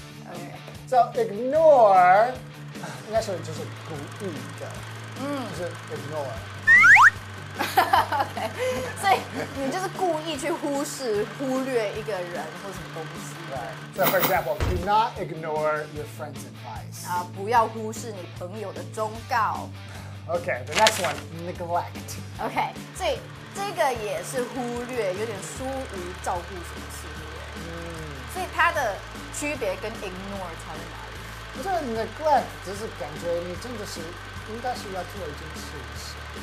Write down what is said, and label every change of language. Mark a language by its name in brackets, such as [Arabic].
[Chinese] Okay So ignore 应该说就是鼓励的、嗯、就是 ignore OK， 所以你就是故意去忽视、忽略一个人或什么东西。 [English] Right. So for example, do not ignore your friend's advice. [Chinese] 啊，不要忽视你朋友的忠告。 [English] OK, the next one, neglect. [Chinese] OK， 所以这个也是忽略，有点疏于照顾什么事。嗯。所以它的区别跟 ignore 差在哪里？不是 neglect， 就是感觉你真的是应该是要做一件事情。